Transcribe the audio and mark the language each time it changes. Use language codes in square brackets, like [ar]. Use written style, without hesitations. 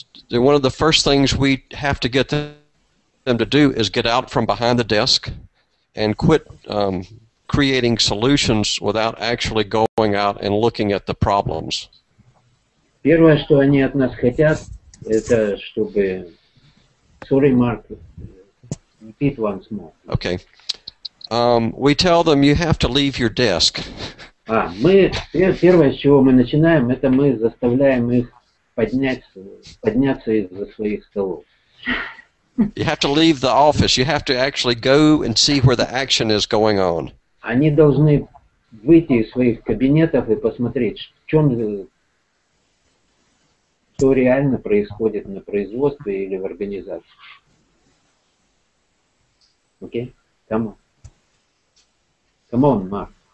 [en] One of the first things we have to get them to do is get out from behind the desk and quit creating solutions without actually going out and looking at the problems. [ru] Первое, что они от нас хотят, это чтобы... [en] Sorry, Mark, repeat once more. Okay. We tell them you have to leave your desk. [ru] Первое, с чего мы начинаем, это мы заставляем их подняться из-за своих столов. [en] You have to leave the office. You have to actually go and see where the action is going on. [ru] Они должны выйти из своих кабинетов и посмотреть, что реально происходит на производстве или в организации. [en] Окей? Come on. Come on, Mark.